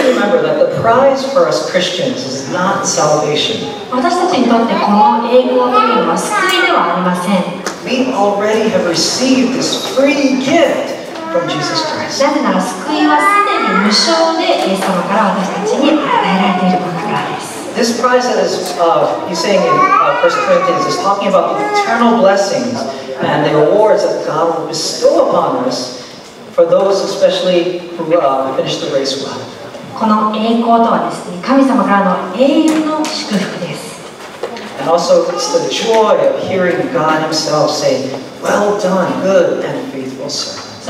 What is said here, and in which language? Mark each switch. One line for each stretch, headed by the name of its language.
English: remember that the prize for us Christians is not salvation.
Japanese: 私たちにとってこの栄光というのは救いではありません。
English: We already have received this free gift from Jesus Christ.
Japanese: なぜなら救いはすでに無償でイエス様から私たちに与えられているものからです。
English: This prize that is, he's saying in 1 Corinthians, is talking about the eternal blessings and the rewards that God will bestow upon us for those especially who finish the race well.
Japanese: この栄光とはですね、神様からの永遠の祝福です。
English: And also, it's the joy of hearing God Himself say, "Well done, good and faithful servant."